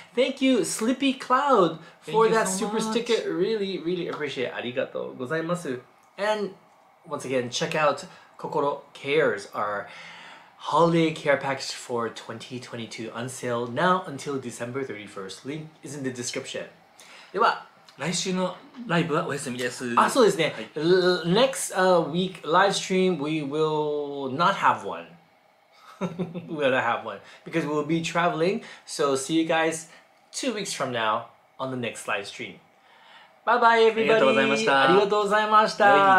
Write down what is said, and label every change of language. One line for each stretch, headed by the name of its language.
English: Thank you, Slippy Cloud, for that super sticker. Really, really appreciate it.
Japanese: Arigatou gozaimasu.
English: And once again, check out Kokoro Cares, our holiday care package for 2022 on sale now until December 31st. Link is in the description.
Japanese: では、来週のライブはお休みです。あ、そうですね。
English: Next week live stream, we will not have one. We'll not have one because we'll be traveling. So see you guys 2 weeks from now on the next live stream. Bye bye, everybody.
Japanese: ありがとうございました。ありがとうございました。